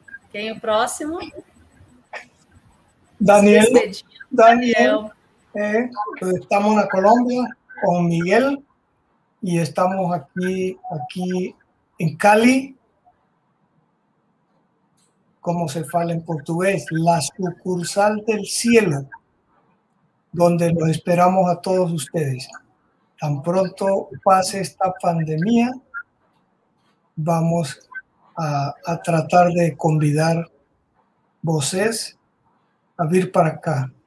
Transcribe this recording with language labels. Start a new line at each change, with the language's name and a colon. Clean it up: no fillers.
Portuguese: Quem é o próximo? Daniel. Daniel. Estamos na Colômbia com Miguel e estamos aqui em Cali.
Spanish: Como se fala en portugués, la sucursal del cielo, donde los esperamos a todos ustedes. Tan pronto pase esta pandemia, vamos a tratar de
Portuguese: convidar vocês a vir para
Spanish: acá.